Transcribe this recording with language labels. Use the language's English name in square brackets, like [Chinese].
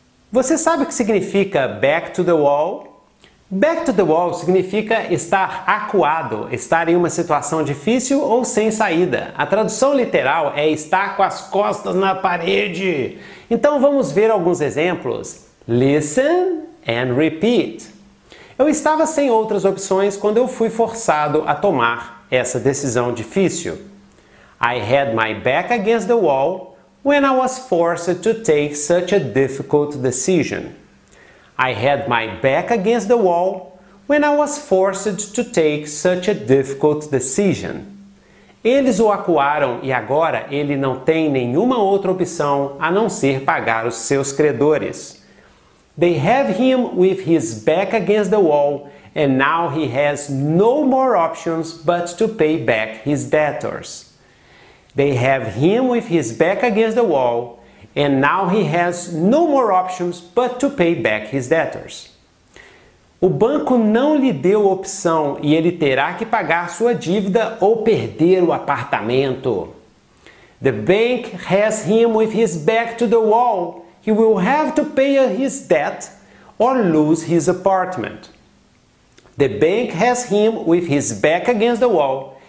[Portuguese] Você sabe o que significa [English] back to the wall? Back to the wall [Portuguese] significa estar acuado, estar em uma situação difícil ou sem saída. A tradução literal é estar com as costas na parede. Então vamos ver alguns exemplos. [English] Listen and repeat. [Portuguese] Eu estava sem outras opções quando eu fui forçado a tomar essa decisão difícil. [English] I had my back against the wall when I was forced to take such a difficult decision. I had my back against the wall when I was forced to take such a difficult decision. [Portuguese] Eles o acuaram e agora ele não tem nenhuma outra opção a não ser pagar os seus credores. [English] They have him with his back against the wall and now he has no more options but to pay back his debtors. They have him with his back against the wall, and now he has no more options but to pay back his debtors. [Portuguese] O banco não lhe deu opção e ele terá que pagar sua dívida ou perder o apartamento. [English] The bank has him with his back to the wall. He will have to pay his debt or lose his apartment. The bank has him with his back against the wall.